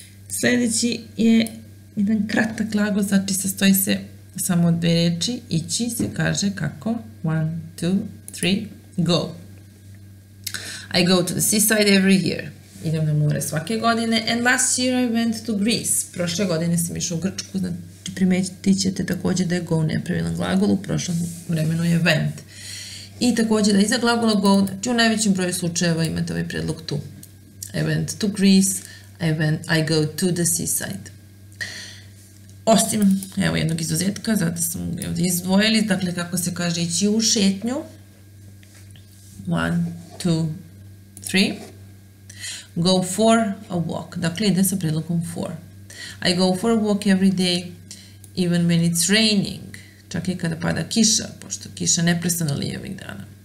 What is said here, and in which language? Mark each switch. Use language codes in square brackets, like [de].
[sr] Sljedeći je jedan kratak glagol, znači sastoji se samo od dve reči, ići se kaže kako, [en] one, two, three, go. I go to the seaside every year. [sr] Idem na more svake godine. [en] And last year I went to Greece. [sr] Prošle godine sam išao u Grčku. Znači, primetit ćete također da je go nepravilan glagol. U prošlom vremenu je went. I također da iza glagola go, znači u najvećem broju slučajeva imate ovaj predlog tu. [en] I went to Greece. I go to the seaside. [sr] Osim, evo jednog izuzetka, zato sam ga ovdje izdvojili. Dakle, kako se kaže, ići u šetnju. [en] One, two, three, go for a walk. [sr] Dakle, ide sa predlogom for. [en] I go for a walk every day, even when it's raining. [sr] Čak i kada pada kiša, pošto kiša neprestano lije ovih dana.